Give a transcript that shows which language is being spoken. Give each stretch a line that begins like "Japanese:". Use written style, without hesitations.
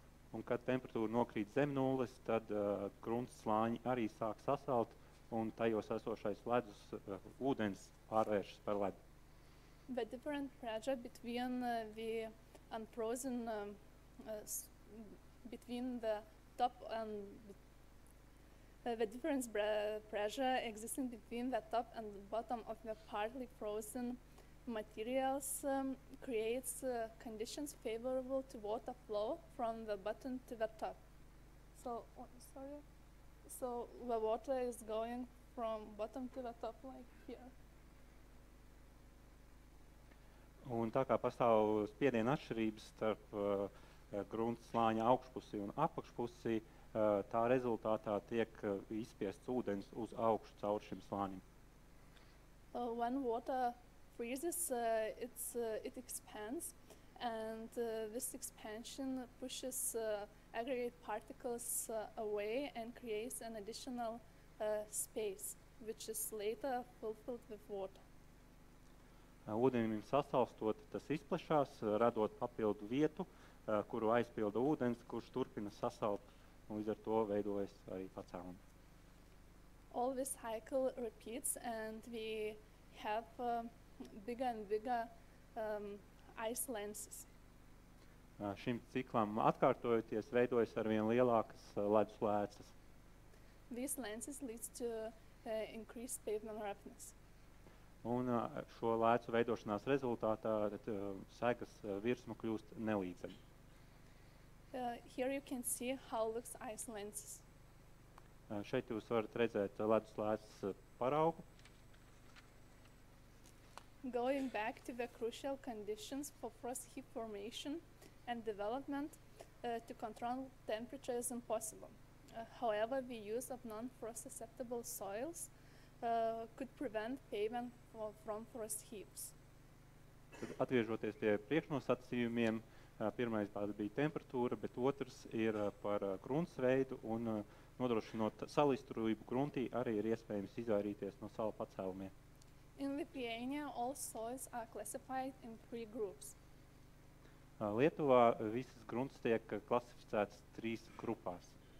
Latvian: Un kad temperatūra nokrīt zem nulles, tad grunts slāņi arī sāk sasalt un tajos esošais ledus ūdens pārvēršas par ledu.
English: The different pressure between the difference between the top and the bottom of the partly frozen materials creates conditions favorable to water flow from the bottom to the top. So the water is going from bottom to the top like here.
Latvian: Un tā kā pastāv spiediena atšķirības starp grunts slāņa augšpusi un apakšpusi, tā rezultātā tiek izspiests ūdens uz augšu caur šim slānim.
English: When water freezes, it expands, and this expansion pushes aggregate particles away and creates an additional space, which is later filled with water.
Latvian: Ūdenim sasalstot, tas izplešās, radot papildu vietu, kuru aizpilda ūdens, kurš turpina sasalt. Un līdz ar to veidojas arī pacēlumi.
English: All this cycle repeats and we have bigger and bigger ice lenses.
Latvian: Šim ciklam atkārtojoties veidojas arvien lielākas ledus lēcas.
English: These lenses leads to increased pavement roughness.
Latvian: Un šo lēcu veidošanās rezultātā segas virsma kļūst nelīdzeņa.
English: Here you can see how looks ice lenses.
Latvian: Šeit jūs varat redzēt ledus lēcas paraugu.
English: Going back to the crucial conditions for frost heap formation and development, to control temperature is impossible. However, the use of non-frost susceptible soils could prevent pavement from frost heaps.
Latvian: Tad atgriežoties pie priekšnosacījumiem, pirmais bāds bija temperatūra, bet otrs ir par grunts veidu un nodrošinot salisturību gruntī arī ir iespējams izvairīties no sala pacēlumiem.
English: In Lithuania, all soils are classified in three groups.
Latvian: Lietuvā visas grunts tiek klasificētas trīs grupās.